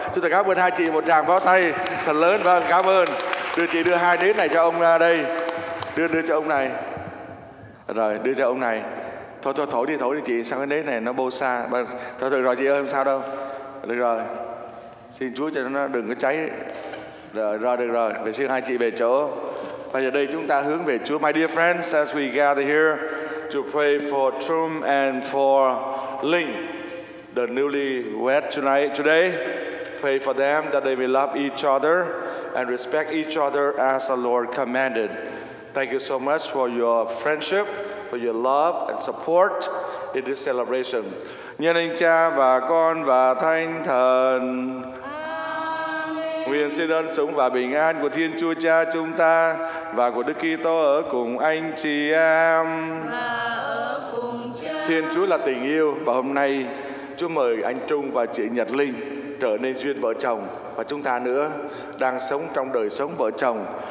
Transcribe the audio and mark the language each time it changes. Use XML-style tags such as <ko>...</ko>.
<vi>Chúng ta cáo bên hai chị một tràng vỗ tay thật lớn. Vâng, cảm ơn. Đưa chị đưa hai nến này cho ông đây. Đưa cho ông này. Rồi, đưa cho ông này. Thôi, thổi đi chị, sao cái nến này nó Bô Sa. Thôi, được rồi chị ơi, không sao đâu. Được rồi. Xin Chúa cho nó đừng có cháy. Rồi, được rồi. Vậy xin hai chị về chỗ. Và giờ đây chúng ta hướng về Chúa.</vi> <en>My dear friends, as we gather here to pray for Trung and for Linh, the newlywed tonight, today, pray for them that they may love each other and respect each other as the Lord commanded. Thank you so much for your friendship, for your love and support in this celebration.</en> <vi>Nhân anh cha và con và thánh thần. Amen. Nguyện xin ơn sủng và bình an của Thiên Chúa Cha chúng ta và của Đức Kitô ở cùng anh chị em. Và ở cùng cha. Thiên Chúa là tình yêu và hôm nay Chúa mời anh Trung và chị Nhật Linh trở nên duyên vợ chồng và chúng ta nữa đang sống trong đời sống vợ chồng.</vi>